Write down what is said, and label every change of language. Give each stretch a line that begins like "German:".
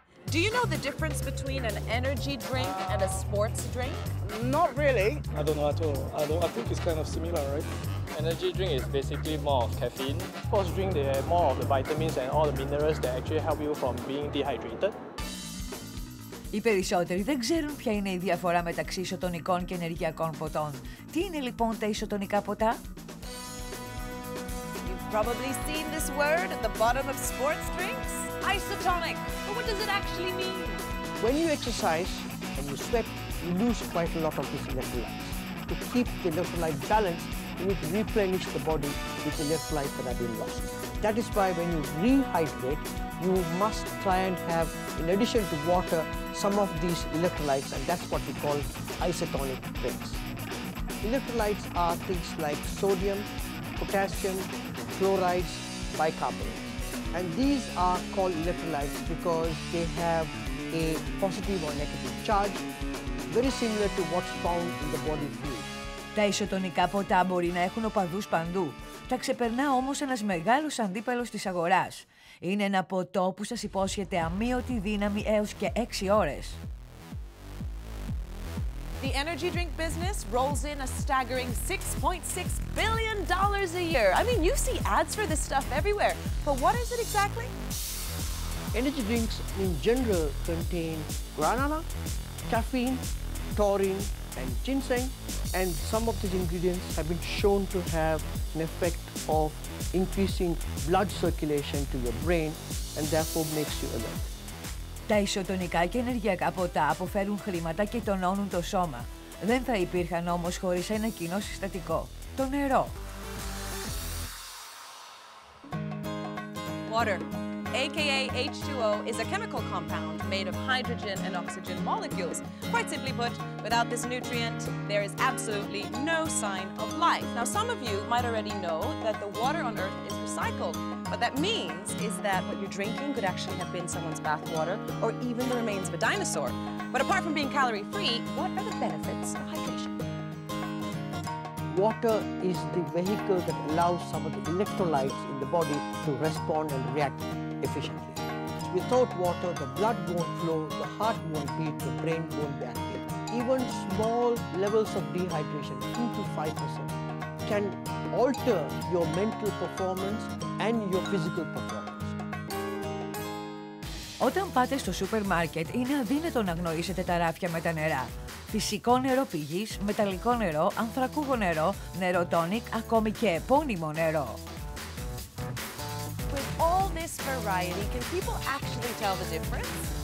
English: Do you know the difference between an energy drink and a sports drink? Not really. I don't know at all. I think it's kind of similar, right? Energy drink is basically more of caffeine. Sports drink, they have more of the vitamins and all the minerals that actually help you from being dehydrated.
Greek: Οι περισσότεροι δεν ξέρουν ποια είναι η διαφορά μεταξύ ισοτονικών και ενεργειακών ποτών. Τι είναι λοιπόν τα ισοτονικά ποτά?
English: You've probably seen this word at the bottom of sports drinks. Isotonic. But what does it actually mean? When you exercise and you sweat, you lose quite a lot of these electrolytes. To keep the electrolyte balance, you need to replenish the body with the electrolytes that have been lost. That is why when you rehydrate, you must try and have, in addition to water, some of these electrolytes, and that's what we call isotonic drinks. Electrolytes are things like sodium, potassium, chlorides, bicarbonates. And these are called electrolytes because they have a positive or negative charge, very similar to what's found in the body fluid.
Greek: Τα ισοτονικά ποτά μπορεί να έχουν οπαδούς παντού. Τα ξεπερνά όμως ένας μεγάλος αντίπαλος της αγοράς. Είναι ένα ποτό που σας υπόσχεται αμύωτη δύναμη έως και 6 ώρες.
English: The energy drink business rolls in a staggering $6.6 billion a year. I mean, you see ads for this stuff everywhere. But what is it exactly? Energy drinks in general contain guarana, caffeine, taurine and ginseng. And some of these ingredients have been shown to have an effect of increasing blood circulation to your brain and therefore makes you alert.
Greek: Τα ισοτονικά και ενεργειακά ποτά αποφέρουν χρήματα και τονώνουν το σώμα. Δεν θα υπήρχαν όμως χωρίς ένα κοινό συστατικό, το νερό.
English: Water, aka H2O, is a chemical compound made of hydrogen and oxygen molecules. Quite simply put, without this nutrient, there is absolutely no sign of life. Now, some of you might already know that the water on Earth is recycled. What that means is that what you're drinking could actually have been someone's bath water or even the remains of a dinosaur. But apart from being calorie-free, what are the benefits of hydration? Water is the vehicle that allows some of the electrolytes in the body to respond and react efficiently. Without water, the blood won't flow, the heart won't beat, the brain won't be active. Even small levels of dehydration, 2 to 5%, can alter your mental performance and your physical performance.
Greek: Όταν πάτε στο σούπερ μάρκετ, είναι αδύνατο να γνωρίσετε τα ράφια με τα νερά. Φυσικό νερό πηγής, μεταλλικό νερό, ανθρακούχο νερό, νερό τόνικ, ακόμη και επώνυμο νερό.
English: With all this variety, can people actually tell the difference?